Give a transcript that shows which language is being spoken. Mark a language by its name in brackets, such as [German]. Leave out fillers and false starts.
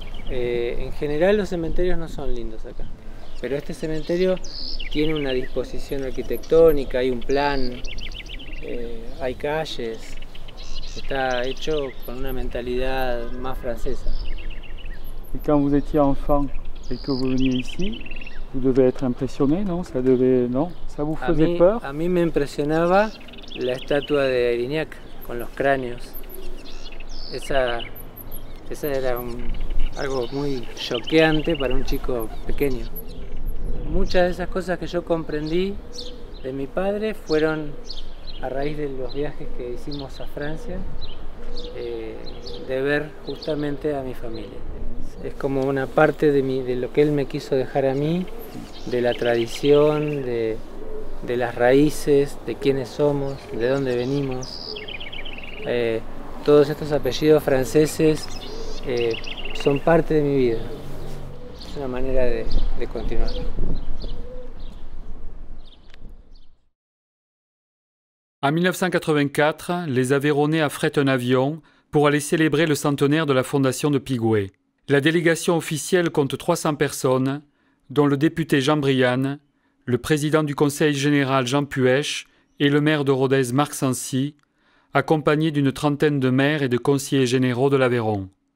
[Spanish] En general los cementerios no son lindos acá, pero este cementerio tiene una disposición arquitectónica, hay un plan, hay calles, está hecho con una mentalidad más francesa. Y cuando [French] étiez enfant y que vous veniez ici, vous devez être impressionné, non? Ça devait, non? Ça vous faisait peur? [Spanish] A mí me impresionaba la estatua de Erignac con los cráneos. Esa era algo muy choqueante para un chico pequeño. Muchas de esas cosas que yo comprendí de mi padre fueron a raíz de los viajes que hicimos a Francia, de ver justamente a mi familia. Es como una parte de lo que él me quiso dejar a mí, de la tradición, de las raíces, de quiénes somos, de dónde venimos. Todos estos apellidos franceses son parte de mi vida. Es una manera de continuar. [French] En 1984, les Aveyronnais affrètent un avion pour aller célébrer le centenaire de la fondation de Pigüé. La délégation officielle compte 300 personnes, dont le député Jean Briane, le président du conseil général Jean Puech et le maire de Rodez Marc Sancy, accompagnés d'une trentaine de maires et de conseillers généraux de l'Aveyron.